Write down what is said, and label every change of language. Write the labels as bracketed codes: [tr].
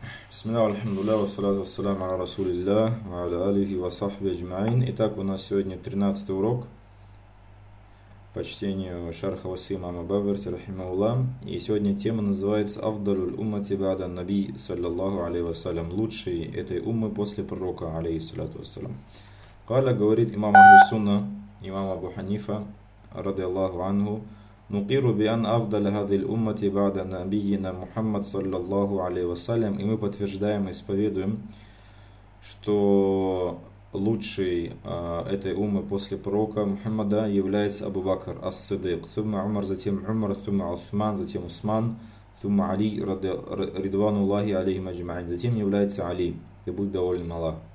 [ar] بسم الله الحمد لله والصلاة والسلام على رسول الله وعلى آله وصحبه أجمعين. [ru] Итак, у нас сегодня 13 урок по чтению Шарха Васи Имама Баверти Рахимаулла. И сегодня тема называется «Афдалюль уммати бада наби саллаллаху алейхи вассалям» – «Лучший этой уммы после пророка алейхи саллату вассалям». [ar] Каля [ru] говорит имам [ar] Ахлюссунна, имам Абу Ханифа, ради Аллаху ангу, نقر بأن أفضل هذه الأمة بعد نبينا محمد صلى الله عليه وسلم. [ru] И мы подтверждаем и исповедуем, что лучший этой уммы после пророка Мухаммада является Абу Бакр ас-Сидик, [ar] ثم عمر, [ru] затем عمر, [ar] ثم عثمان, [ru] затем Усман, [ar] ثم علي رضوان الله عليهم أجمعين, [ru] затем является Али, и будь доволен Аллах.